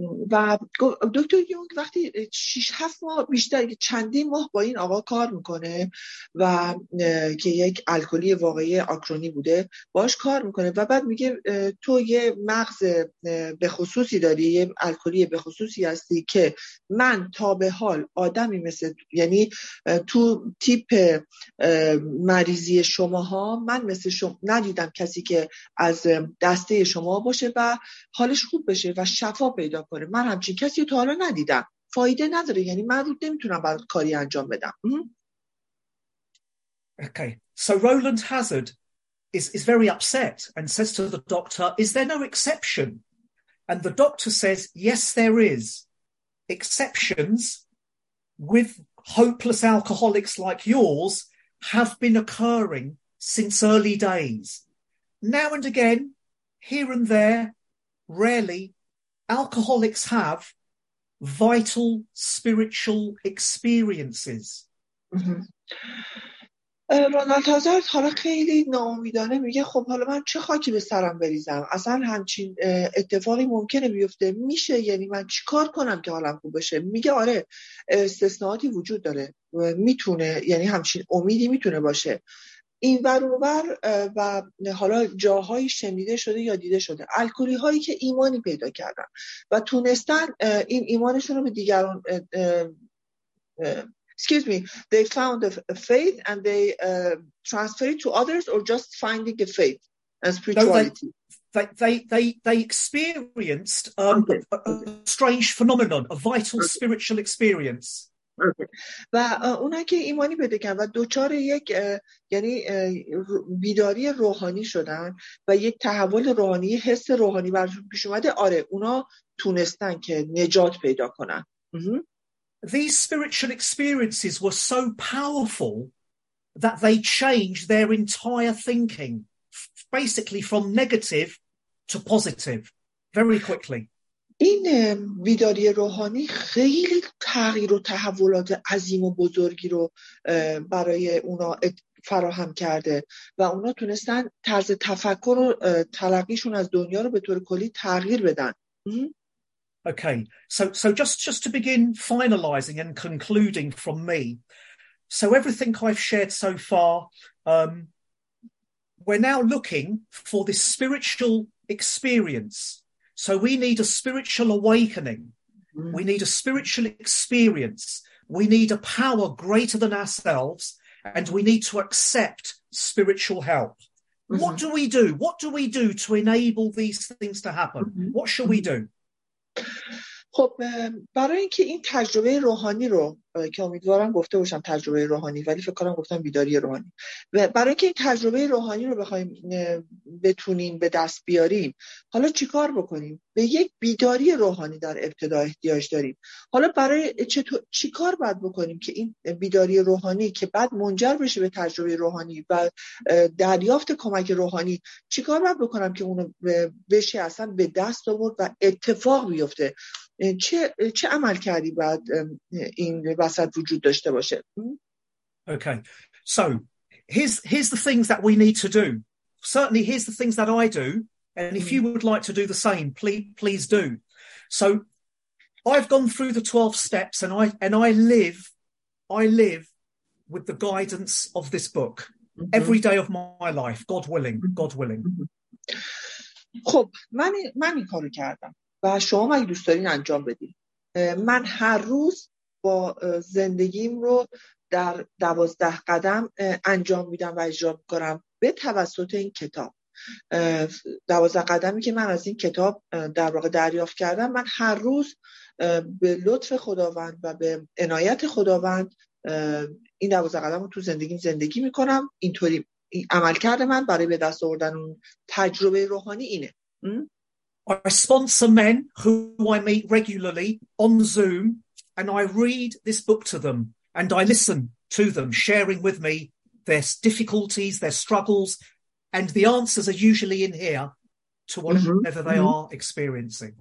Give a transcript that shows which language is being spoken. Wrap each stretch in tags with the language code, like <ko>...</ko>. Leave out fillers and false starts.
<fa>و دکتر یونگ وقتی 6-7 ماه بیشتر چندین ماه با این آقا کار میکنه و که یک الکلی واقعی آکرونی بوده باش کار میکنه و بعد میگه تو یه مغز به خصوصی داری، یه الکلی به خصوصی هستی که من تا به حال آدمی مثل، یعنی تو تیپ مریضی شماها من مثل شما ندیدم کسی که از دسته شما باشه و حالش خوب بشه و شفا پیدا کنه. من همچین کسی رو تا حالا ندیدم. فایده نداره، یعنی من رو نمیتونم برای کاری انجام بدم.</fa> <en>Okay. So Roland Hazard is very upset and says to the doctor, is there no exception? And the doctor says, yes, there is. Exceptions with hopeless alcoholics like yours have been occurring since early days. Now and again, here and there, rarely, alcoholics have vital spiritual experiences.</en> <fa>رونالد هازارد حالا خیلی ناامیدانه میگه خب حالا من چه خاکی به سرم بریزم؟ اصلا همچین اتفاقی ممکنه بیفته؟ میشه؟ یعنی من چی کار کنم که حالم خوب بشه؟ میگه آره استثناءاتی وجود داره، میتونه، یعنی همچین امیدی میتونه باشه این ورور و حالا جاهایی شنیده شده یا دیده شده الکلی هایی که ایمانی پیدا کردن و تونستن این ایمانشون رو به دیگران</fa> <en>excuse me, they found a faith and they transferred it to others or just finding a faith and spirituality? No, they experienced a strange phenomenon, a vital spiritual experience.</en> <fa>و اونا که ایمانی پیدا کردن و دوچار یک یعنی بیداری روحانی شدن و یک تحول روحانی حس روحانی برشون پیش اومده آره اونا تونستن که نجات پیدا کنن</fa> <en>These spiritual experiences were so powerful that they changed their entire thinking, basically from negative to positive, very quickly.</en> <fa>این بیداری روحانی خیلی تغییر و تحولات عظیم و بزرگی رو برای اونا فراهم کرده و اونا تونستن طرز تفکر و تلقیشون از دنیا رو به طور کلی تغییر بدن.</fa> <en>Okay, so just to begin finalizing and concluding from me. So everything I've shared so far, we're now looking for this spiritual experience. So we need a spiritual awakening. We need a spiritual experience. We need a power greater than ourselves, and we need to accept spiritual help. What do we do? What do we do to enable these things to happen? What should we do?</en> <fa>خب برای اینکه این تجربه روحانی رو که امیدوارم گفته باشم تجربه روحانی ولی فکر کنم گفتم بیداری روحانی و برای اینکه این تجربه روحانی رو بخوایم بتونیم به دست بیاریم حالا چیکار بکنیم؟ به یک بیداری روحانی در ابتدا احتیاج داریم. حالا برای چیکار باید بکنیم که این بیداری روحانی که بعد منجر بشه به تجربه روحانی و دریافت کمک روحانی چیکار باید بکنم که اونو بشه اصلا به دست آورد و اتفاق بیفته؟ چه عمل کردی باید این وسط وجود داشته باشه؟</fa> <en>Okay, so here's the things that we need to do. Certainly here's the things that I do, and if you would like to do the same, please do. So I've gone through the 12 steps, and I live with the guidance of this book every day of my life, God willing.</en> <fa>خب من این کارو کردم و شما اگه دوست دارین انجام بدین. من هر روز با زندگیم رو در 12 قدم انجام میدم و اجرا میکنم به توسط این کتاب. 12 قدمی که من از این کتاب در واقع دریافت کردم، من هر روز به لطف خداوند و به عنایت خداوند این 12 قدم رو تو زندگیم زندگی میکنم. اینطوری عمل کرده من برای به دست آوردن اون تجربه روحانی اینه.</fa> <en>I sponsor men who I meet regularly on Zoom, and I read this book to them, and I listen to them sharing with me their difficulties, their struggles, and the answers are usually in here to whatever they are experiencing.</en>